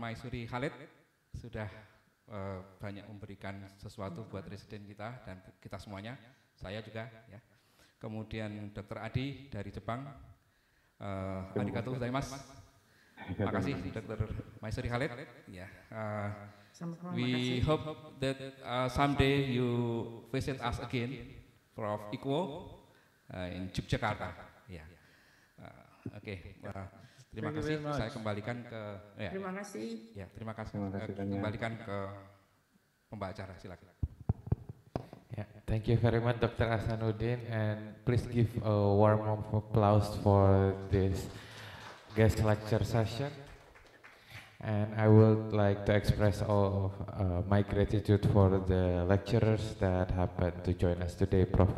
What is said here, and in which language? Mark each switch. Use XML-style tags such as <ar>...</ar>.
<id>Maisuri Khalid, sudah banyak memberikan sesuatu buat resident kita dan kita semuanya, saya juga. Ya. Kemudian Dr. Adi dari Jepang,</id> <ja>arigatou gozaimasu.</ja> <id>Terima kasih, Dr. Maisuri Khalid. Ya.</id> <en>We hope that someday you visit us again, Prof.</en> <id>Iqbal, in Yogyakarta. Ya. Oke. Okay. Terima kasih. Saya kembalikan ke. Ya. Terima kasih. Ya, terima kasih. Terima kasih banyak. Kembalikan ke pembawa acara. Silakan.</id> <en>Yeah, thank you very much, Dr. Hasanuddin, and please give a warm applause for this guest lecture session. And I would like to express all of my gratitude for the lecturers that happened to join us today, Prof.</en>